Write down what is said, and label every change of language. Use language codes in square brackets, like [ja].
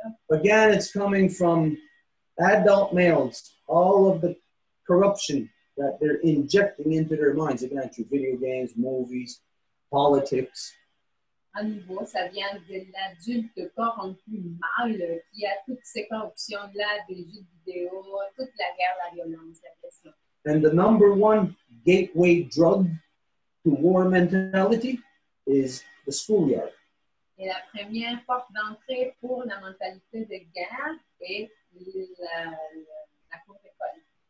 [en] Again, it's coming from adult males, all of the corruption that they're injecting into their minds, again, through video games, movies, politics. [fr] À nouveau, ça vient de l'adulte corrompu mâle qui a toutes ces corruptions-là, des jeux vidéo, toute la guerre, la violence, la pression. [en] And the number one gateway drug to war mentality is the schoolyard. [fr] Et la première porte d'entrée pour la mentalité de guerre est la cour d'école.